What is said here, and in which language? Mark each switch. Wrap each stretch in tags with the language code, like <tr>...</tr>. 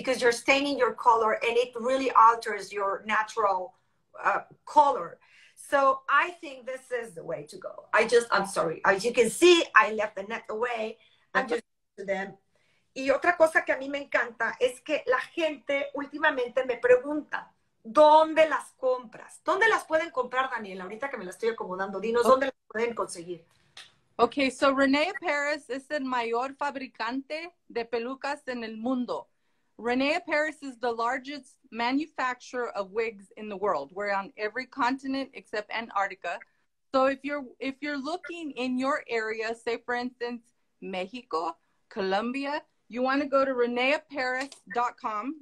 <en>Because you're staining your color and it really alters your natural color. So I think this is the way to go. I'm sorry. As you can see, I left the net away. I'm just to them.</en> <es>Y otra cosa que a mí me encanta es que la gente últimamente me pregunta, ¿dónde las compras? ¿Dónde las pueden comprar, Daniela? Ahorita que me las estoy acomodando, dinos, ¿dónde las pueden conseguir? Okay, so René Paris es el mayor fabricante de pelucas en el mundo.</es> <en>René Paris is the largest manufacturer of wigs in the world. We're on every continent except Antarctica. So if you're looking in your area, say for instance, Mexico, Colombia, you want to go to reneaparis.com.</en>